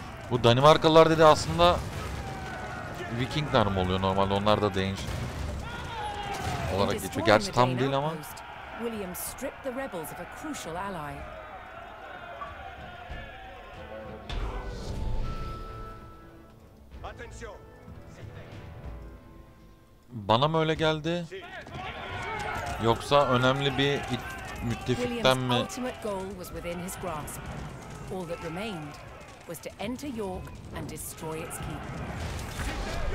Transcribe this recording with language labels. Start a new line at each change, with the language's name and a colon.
Turkish: Bu Danimarkalılar dedi aslında Vikingler mi oluyor normalde? Onlar da Danes olarak geçiyor. Gerçi tam değil ama.
English: William stripped the rebels of a crucial ally.
Turkish: Bana mı öyle geldi? Yoksa önemli bir müttefikten mi?
English: Ultimate goal was within his grasp. All that remained was to enter York and destroy its keep.